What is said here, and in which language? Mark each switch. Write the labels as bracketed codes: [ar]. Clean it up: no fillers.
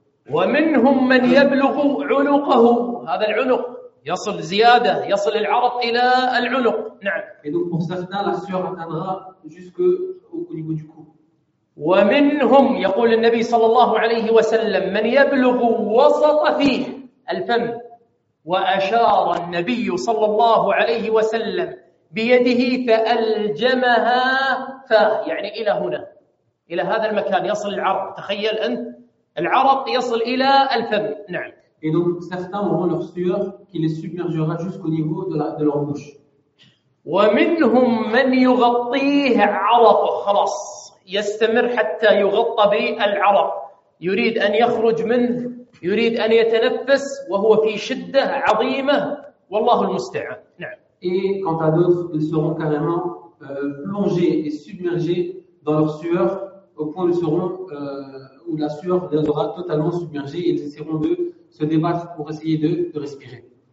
[ar] ومنهم من يبلغ عنقه. هذا العنق. يصل زيادة يصل العرق إلى العنق. نعم. [fr] Et donc pour certains la sueur atteindra jusque au niveau du cou. [ar] ومنهم يقول النبي صلى الله عليه وسلم من يبلغ وسط فيه الفم. وأشار النبي صلى الله عليه وسلم بيده فألجمها فاه يعني إلى هنا إلى هذا المكان يصل العرق. تخيل أنت العرق يصل إلى الفم. نعم. [fr] Et donc certains auront leur sueur qui les submergera jusqu'au niveau de leur bouche. [ar] ومنهم من يغطيه عرق خلاص يستمر حتى يغطى بالعرق يريد أن يخرج منه يريد أن يتنفس وهو في شدة عظيمة والله المستعان. نعم. [fr] Et quant à d'autres, ils seront carrément plongés et submergés dans leur sueur au point où ils seront où la sueur les aura totalement submergés et ils essaieront de se débattre pour essayer de respirer.